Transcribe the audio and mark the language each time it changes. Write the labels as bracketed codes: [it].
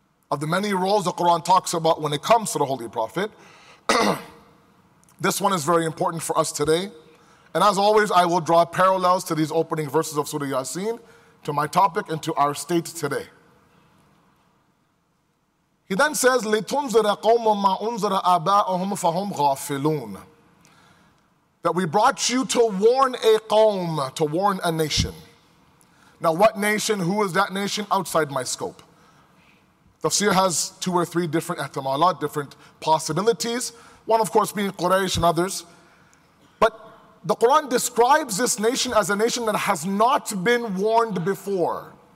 [en] Of the many roles the Quran talks about when it comes to the Holy Prophet, this one is very important for us today. And as always, I will draw parallels to these opening verses of Surah Yasin to my topic and to our state today. He then says, [ar] لِتُنْزِرَ قَوْمٌ مَا أُنْزِرَ أَبَاءُهُمْ فَهُمْ غَافِلُونَ. [en] That we brought you to warn a qawm, to warn a nation. Now what nation, who is that nation? Outside my scope. Tafsir has two or three different ihtimalat, different possibilities. One of course being Quraysh and others. But the Quran describes this nation as a nation that has not been warned before.